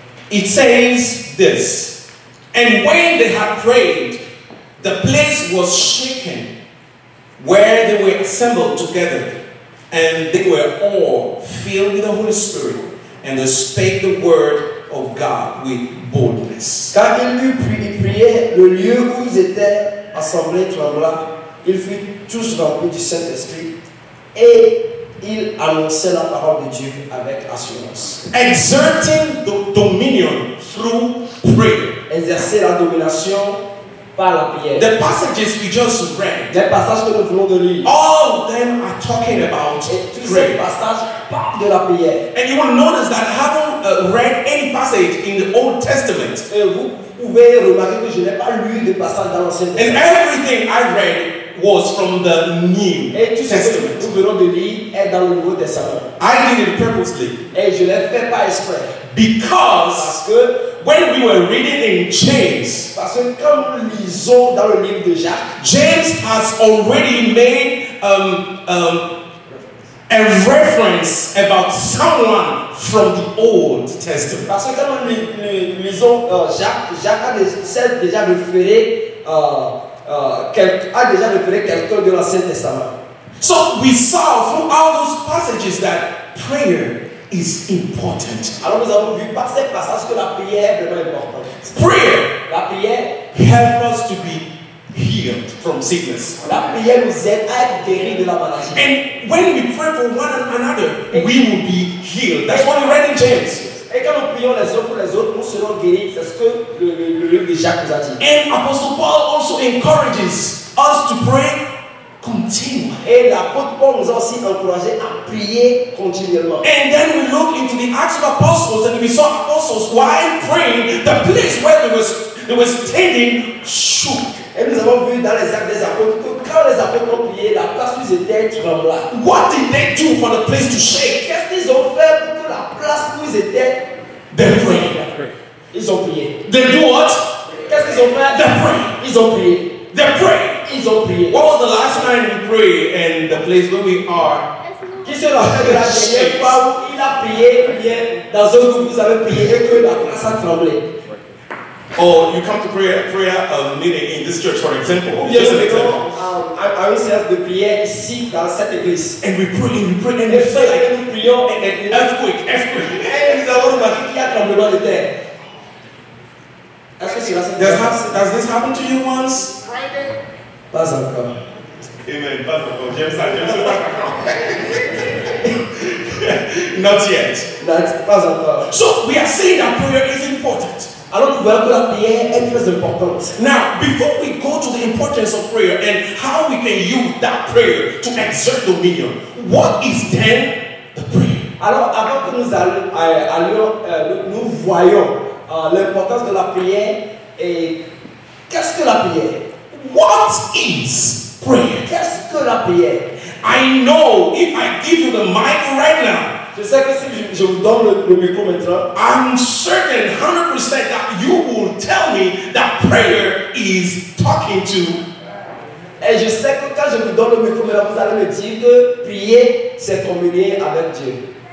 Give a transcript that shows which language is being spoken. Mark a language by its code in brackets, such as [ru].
[en] It says this, and when they had prayed, the place was shaken where they were assembled together, and they were all filled with the Holy Spirit, and they spake the word of God with boldness. [fr] Car ils priaient, le lieu où ils étaient assemblés trembla, ils furent tous remplis du Saint-Esprit, et il annonçait la parole de Dieu avec assurance. [en] Exerting the dominion through prayer. [fr] Exercer la domination par la prière. [en] The passages we just read. [fr] Les passages que nous venons de lire. [en] All of them are talking about prayer. [fr] Ces passages parlent de la prière. [en] And you will notice that I haven't read any passage in the Old Testament. [fr] Et vous pouvez remarquer que je n'ai pas lu de passage dans l'Ancien Testament. [en] And everything I read was from the New Testament. [fr] Nous venons de lire est dans le Nouveau Testament. [en] I did it purposely. [fr] Et je l'ai fait par esprit. [en] Because when we were reading in James, [fr] parce que quand nous lisons dans le livre de Jacques, [en] James has already made a reference about someone from the Old Testament. [fr] Parce que quand nous lisons Jacques a déjà référé a déjà repéré quelqu'un de l'Ancien Testament. [en] So we saw through all those passages that prayer is important. [fr] Alors nous avons vu par ces passages que la prière est vraiment importante. [en] Prayer, [fr] la prière, [en] help us to be healed from sickness. [fr] La prière nous aide à être guéri de la maladie. [en] And when we pray for one another, we will be healed. That's what we read in James. [fr] Et quand nous prions les uns pour les autres, nous serons guéris. C'est ce que le livre de Jacques nous a dit. [en] And Apostle Paul also encourages us to pray continually. [fr] Et l'apôtre Paul nous a aussi encouragé à prier continuellement. [en] And then we look into the Acts of Apostles and we saw apostles while praying, the place where they were standing shook. [fr] Et nous avons vu dans les Actes des Apôtres que quand les apôtres ont prié, la place où ils étaient trembla. [en] What did they do for the place to shake? [fr] Qu'est-ce qu'ils ont fait pour que la place où ils étaient? [en] They prayed. [fr] Ils ont prié. [en] They do what? [fr] Qu'est-ce qu'ils ont fait? [en] They prayed. [fr] Ils ont prié. [en] They prayed. [fr] Ils ont prié. [en] What was the last time we prayed and the place where we are? [fr] Qui se rappelle de la dernière fois où il a prié bien dans un groupe où vous avez prié et que la place a tremblé? [en] Or you come to prayer meeting in this church, for example. Yes, just an example. I used to have the prayer [fr] ici dans cette église. [en] And we pray, and it's like [fr] nous prions et [en] earthquake. [fr] Et nous avons remarqué qu'il y a tremblement de terre. Est-ce que c'est la [en] same? Does this happen to you once? Friday. [fr] Pas encore. Amen. Pas encore. James. [en] Not yet. [fr] Pas encore. [en] So we are saying that prayer is important. [fr] Alors nous voyons que la prière est très importante. [en] Now, before we go to the importance of prayer and how we can use that prayer to exert dominion, what is then the prayer? [fr] Alors avant que nous nous voyons l'importance de la prière et qu'est-ce que la prière? [en] What is prayer? [fr] Qu'est-ce que la prière? [en] I know if I give you the mic right now. [fr] Je sais que si je vous donne le micro maintenant, [en] I'm certain 100% that you will tell me that prayer is talking to. [fr] Et je sais que quand je vous donne le micro maintenant, vous allez me dire que prier c'est communier avec Dieu.